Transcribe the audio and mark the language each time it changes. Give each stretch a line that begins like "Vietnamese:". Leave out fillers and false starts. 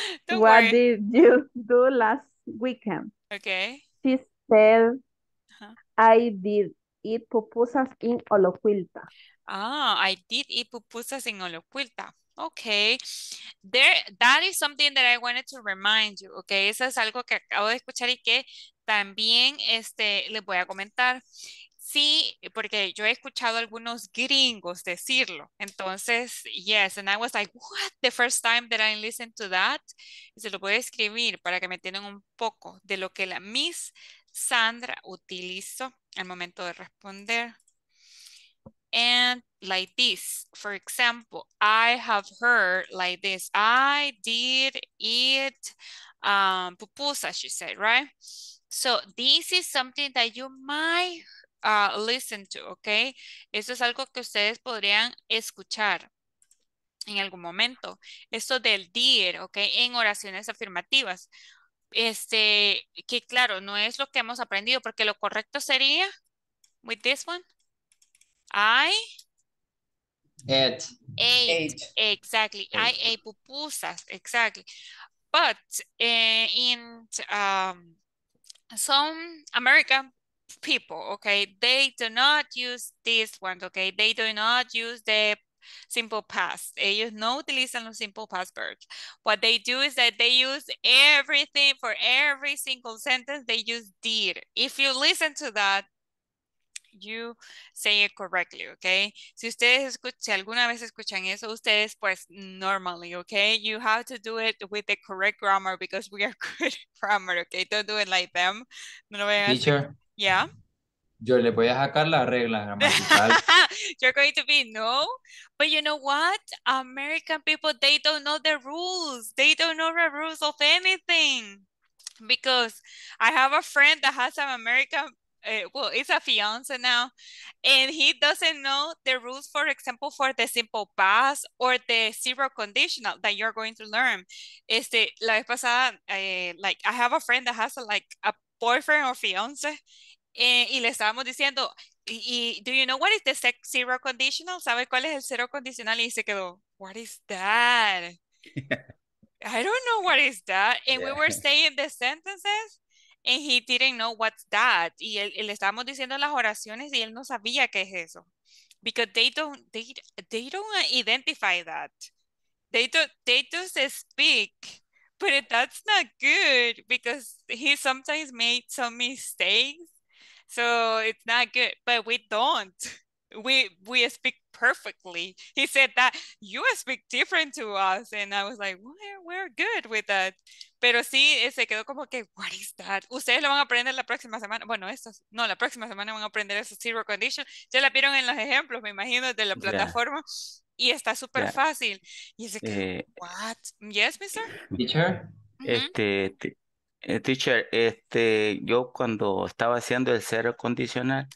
English: What did you do last weekend? Okay. She said, uh-huh. I did eat pupusas in Olocuilta. Ah, I did eat pupusas in Olocuilta. Okay. There, that is something that I wanted to remind you. Okay.
Spanish: Eso es algo que acabo de escuchar y que también les voy a comentar. Sí, porque yo he escuchado algunos gringos decirlo.
English: Entonces, yes, and I was like, what? The first time that I listened to that.
Spanish: Y se lo voy a escribir para que me entiendan un poco de lo que la Miss Sandra utilizó al momento de responder.
English: And like this, for example, I have heard like this. I did eat pupusas, she said, right? So this is something that you might listen to, okay?
Spanish: Eso es algo que ustedes podrían escuchar en algún momento. Esto del did, okay? En oraciones afirmativas. Que claro, no es lo que hemos aprendido, porque lo correcto sería
English: with this one. I ate. Exactly. Ate. I ate pupusas. Exactly. But in some American people, okay, they do not use this one, okay, they do not use the simple past.
Spanish: Ellos no utilizan los
English: simple past verbs. What they do is that they use everything for every single sentence, they use did. If you listen to that, you say it correctly, okay?
Spanish: Si ustedes escuchan, si alguna vez escuchan eso, ustedes pues normally, okay?
English: You have to do it with the correct grammar because we are good grammar, okay? Don't do it like them.
Spanish: No lo vayan.
English: Teacher. Yeah.
Spanish: Yo le voy a sacar la regla gramatical.
English: You're going to be no. But you know what? American people, they don't know the rules. They don't know the rules of anything. Because I have a friend that has an American, well, it's a fiance now. And he doesn't know the rules, for example, for the simple past or the zero conditional that you're going to learn.
Spanish: La vez pasada,
English: I have a friend that has a boyfriend or fiance,
Spanish: Y le estábamos diciendo, y
English: do you know what is the zero conditional?
Spanish: ¿Sabe cuál es el cero condicional? Y se quedó,
English: what is that? Yeah. I don't know what is that. And yeah. We were saying the sentences, and he didn't know what's that. Y él, le estábamos diciendo las oraciones, y él no sabía qué es eso. Because they don't identify that. They just speak, but that's not good because he sometimes made some mistakes. So it's not good, but we don't. We speak perfectly. He said that you speak different to us. And I was like, we're good with that.
Spanish: Pero sí, se quedó como que,
English: what is that?
Spanish: Ustedes lo van a aprender la próxima semana. Bueno, la próxima semana van a aprender esa zero condition. Ya la vieron en los ejemplos, me imagino, de la plataforma. Yeah. Y está súper fácil. Y dice, what?
English: Yes, mister? Teacher?
Spanish: Teacher, yo cuando estaba haciendo el cero condicional,